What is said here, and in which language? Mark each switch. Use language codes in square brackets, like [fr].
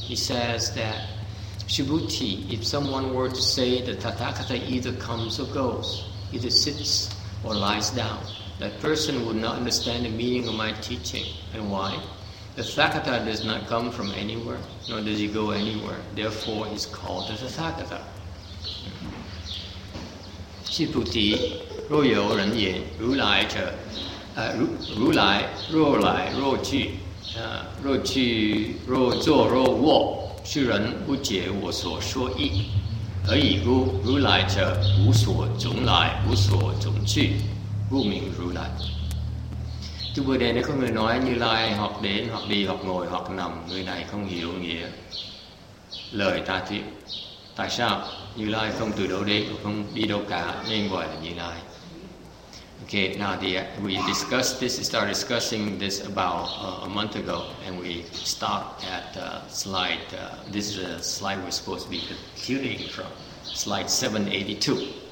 [en] He says that Shibuti, if someone were to say the Tathagata either comes or goes, either sits or lies down, that person would not understand the meaning of my teaching. And why? The Tathagata does not come from anywhere, nor does he go anywhere. Therefore, he's called the Tathagata. [zh] Shibuti, 若有人言如来者，如来若来若去，若去若坐若卧，是人不解我所说意，而以故如来者无所从来，无所从去，故名如来。 [vi] Chư Bồ Đề này có người nói như lai hoặc đến hoặc đi hoặc ngồi hoặc nằm, người này không hiểu nghĩa lời ta thuyết. Tại sao như lai không từ đâu đến, không đi đâu cả nên gọi là như lai? [en] Okay, now we discussed this, started discussing this about a month ago, and we stopped at slide, this is the slide we're supposed to be continuing from, slide 782.